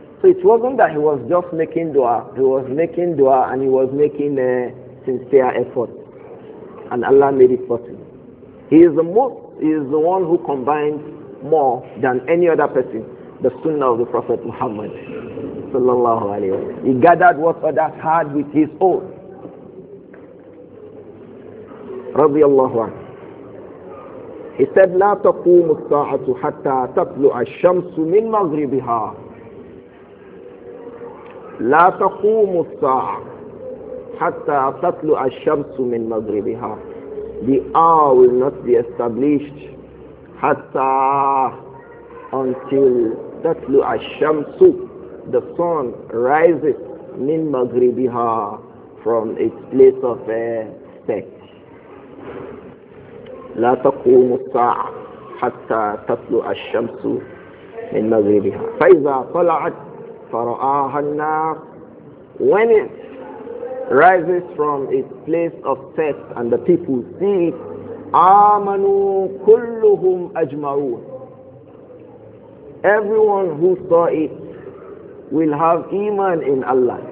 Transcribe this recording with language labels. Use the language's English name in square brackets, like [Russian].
[English] So it wasn't that he was just making dua, he was making dua and he was making a sincere effort, and Allah made it possible. He is the one who combined more than any other person the sunnah of the Prophet Muhammad sallallahu alaihi wasallam. He gathered what others had with his own. Radiallahu anhu. He said, [Arabic] لا تقوم الساعة حتى تطلع الشمس من مغربها. لا تقوم الساعة حتى تطلع الشمس من مغربها. [English] The hour will not be established [Arabic] حتى [English] until [Arabic] تطلع الشمس, [English] the sun rises, [Arabic] من مغربها, [English] from its place of set. [Arabic] لا تقوم الساعة حتى تطلع الشمس من مغربها. فإذا طلعت فرآها الناس. [English] When it rises from its place of set and the people see it, [Arabic] آمنوا كلهم أجمعون. [English] Everyone who saw it will have iman in Allah.